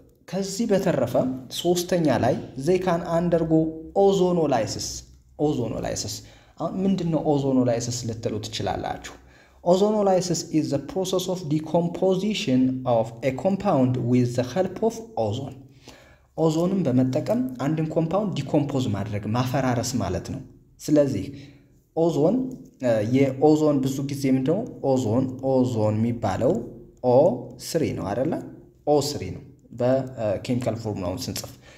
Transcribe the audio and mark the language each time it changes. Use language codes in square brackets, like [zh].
[am] ከዚህ በተረፈ ሶስተኛ ላይ [en] they can undergo ozonolysis. [am] ozonolysis ምንድነው? ozonolysis ልትሉት ይችላልላችሁ. [en] ozonolysis is the process of decomposition of a compound with the help of ozone. [am] ozoneን በመጠቀም አንድን ኮምፓውንድ ዲኮምፖዝ ማድረግ ማፈራረስ ማለት ነው. ስለዚህ ozone የozone ብዙ ጊዜ ምንድነው? ozone የሚባለው O3 ነው አይደለ? O3 ነው በኬሚካል ፎርሙላውን ስንጽፍ.